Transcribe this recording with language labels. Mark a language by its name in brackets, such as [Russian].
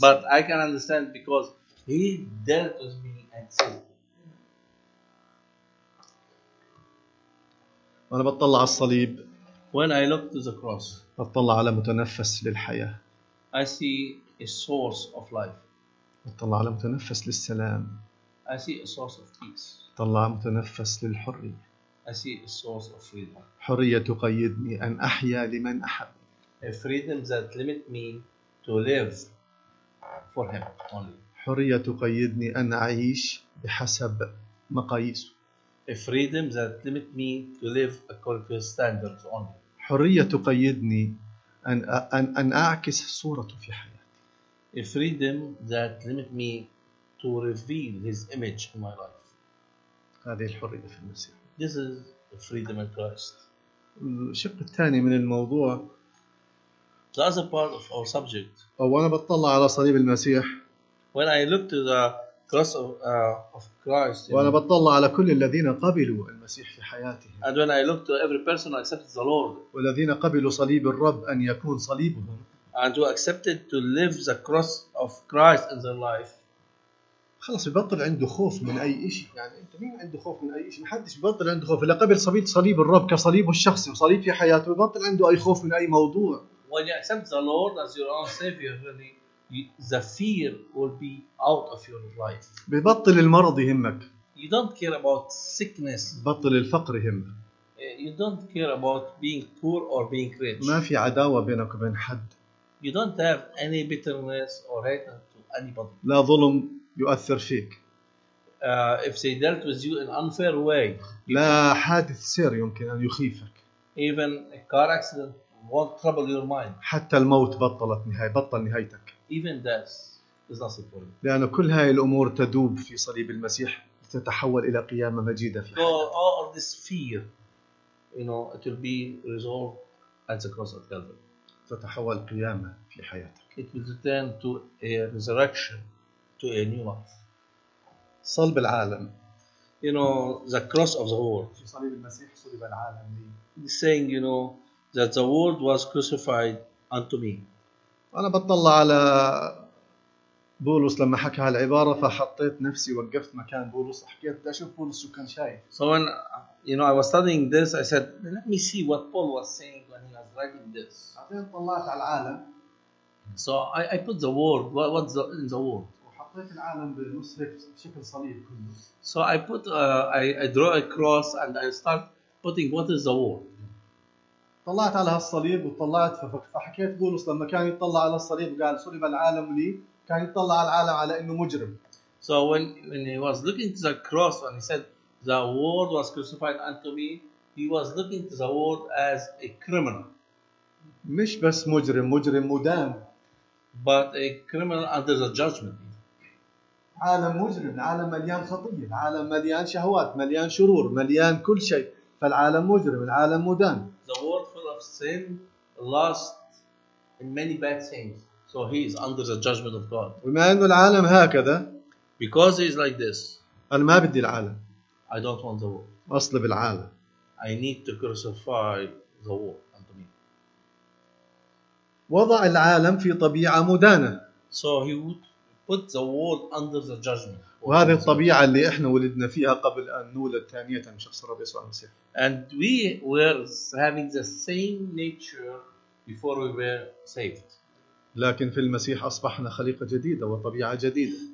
[English] But I can understand because he dealt with me and saved. [Arabic] أنا بطلع على الصليب. [English] When I look to the cross. [Arabic] بطلع على متنفس للحياة. [English] I see a source of life. [Arabic] طلع على متنفس للسلام. [English] I see a source of peace. [Arabic] طلع متنفس للحرية. [English] I see a source of freedom. [Arabic] حرية تقيدني أن أحيا لمن أحب. [English] A freedom that limit me to live for him only. [Arabic] حرية تقيدني أن أعيش بحسب مقاييسه. [English] A freedom that limit me to live according to his standards only. [Arabic] حرية تقيدني أن أعكس صورته في حياتي. [English] A freedom that limit me to reveal his image in my life. [Arabic] هذه الحرية في المسيح. [English] This is a freedom in Christ. [Arabic] الشق الثاني من الموضوع. [English] The other part of our subject. [Arabic] أو أنا بطلع على صليب المسيح. [English] When I look to the cross of Christ. [Arabic] وأنا بطلع على كل الذين قبلوا المسيح في حياتهم. [English] And when I look to every person who accepted the Lord. [Arabic] والذين قبلوا صليب الرب أن يكون صليبهم. [English] And who accepted to live the cross of Christ in their life. [Arabic] خلاص يبطل عنده خوف من أي إشي. يعني أنت مين عنده خوف من أي إشي؟ محدش يبطل عنده خوف. اللي قبل صليب الرب كصليب الشخصي وصليب في حياته يبطل عنده أي خوف من أي موضوع. [English] When you accept the Lord as your own Savior, really, the fear will be out of your life. [Arabic] ببطل المرض يهمك. [English] You don't care about sickness. [Arabic] بطل الفقر يهمك. [English] You don't care about being poor or being rich. [Arabic] ما في عداوة بينك وبين حد. [English] You don't have any bitterness or hatred to anybody. [Arabic] لا ظلم يؤثر فيك. [English] If they dealt with you in unfair way. [Arabic] لا حادث سير يمكن أن يخيفك. [English] Even a car accident won't trouble your mind. [Arabic] حتى الموت بطلت نهاية بطل نهايتك. [English] Even death is not important. [Arabic] لأن كل هاي الأمور تدوب في صليب المسيح تتحول إلى قيامة مجيدة في حياتك. [English] All of this fear, you know, it will be resolved at the cross of Calvary. [Arabic] تتحول قيامة في حياتك. [English] It will turn to a resurrection, to a new life. [Arabic] صلب العالم. [English] You know, the cross of the world. [Arabic] في صليب المسيح صلب العالم. [English] He's saying, you know, that the world was crucified unto me. [Arabic] أنا بطلع على بولس لما حكى هالعبارة فحطيت نفسي وقفت مكان بولس حكيت أشوف بولس شو كان شايف. [English] So when you know I was studying this, I said, let me see what Paul was saying when he was writing this. [Arabic] عدين طلعت على العالم. [English] So I put the world, what's the, in the world. [Arabic] وحطيت العالم بنص هيك بشكل صليب كله. [English] So I put I draw a cross and I start putting what is the world. [Arabic] طلعت على هالصليب وطلعت فحكيت بولس لما كان يطلع على الصليب قال صلب العالم لي كان يطلع على العالم على إنه مجرم. [English] So when he was looking to the cross when he said the world was crucified unto me, he was looking to the world as a criminal. [Arabic] مش بس مجرم, مجرم مدان. [English] But a criminal under the judgment. [Arabic] عالم مجرم, عالم مليان خطية, عالم مليان شهوات, مليان شرور, مليان كل شيء. فالعالم مجرم, العالم مدان. [English] The world full of sin, lost in many bad things. So he is under the judgment of God. [Arabic] بما أنه العالم هكذا. [English] Because he is like this. [Arabic] أنا ما بدي العالم. [English] I don't want the world. [Arabic] أصلب العالم. [English] I need to crucify the world. [Arabic] وضع العالم في طبيعة مدانة. [English] So he would put the world under the judgment. [Arabic] وهذه الطبيعة اللي إحنا ولدنا فيها قبل أن نولد ثانية من شخص الرب يسوع المسيح. [English] And we were having the same nature before we were saved. [Arabic] لكن في المسيح أصبحنا خليقة جديدة وطبيعة جديدة.